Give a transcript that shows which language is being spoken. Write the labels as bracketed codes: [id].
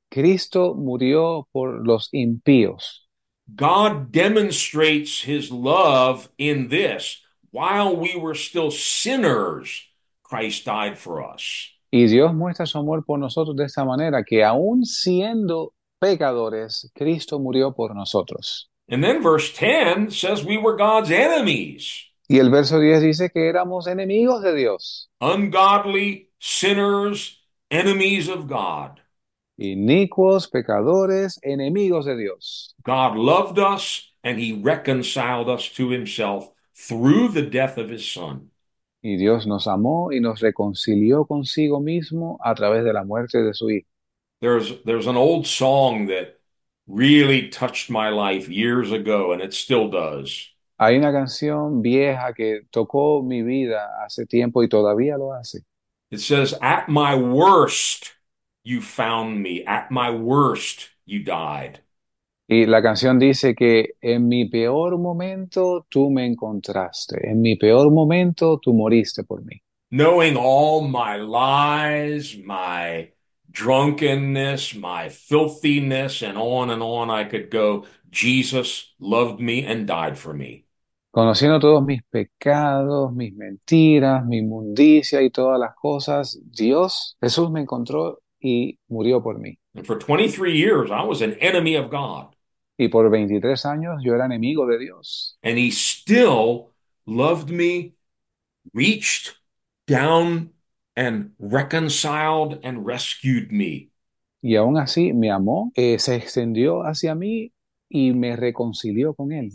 [es] Cristo murió por los impíos. [en] God demonstrates his love in this. While we were still sinners, Christ died for us. [es] Y Dios muestra su amor por nosotros de esta manera, que aun siendo pecadores, Cristo murió por nosotros. [en] And then verse 10 says we were God's enemies. [es] Y el verso 10 dice que éramos enemigos de Dios. [en] Ungodly, sinners, enemies of God. [es] Inicuos, pecadores, enemigos de Dios. [en] God loved us and he reconciled us to himself through the death of his son. [es] Y Dios nos amó y nos reconcilió consigo mismo a través de la muerte de su Hijo. [en] There's an old song that really touched my life years ago, and it still does. [es] Hay una canción vieja que tocó mi vida hace tiempo y todavía lo hace. [en] It says, "At my worst, you found me. At my worst, you died." [es] Y la canción dice que en mi peor momento tú me encontraste, en mi peor momento tú moriste por mí. [en] Knowing all my lies, my drunkenness, my filthiness, and on I could go. Jesus loved me and died for me. [es] Conociendo todos mis pecados, mis mentiras, mi inmundicia y todas las cosas, Dios, Jesús me encontró y murió por mí. [en] And for 23 years, I was an enemy of God. [es] Y por 23 años yo era enemigo de Dios. [en] And he still loved me, reached down and reconciled and rescued me. [es] Y aún así me amó, se extendió hacia mí y me reconcilió con él.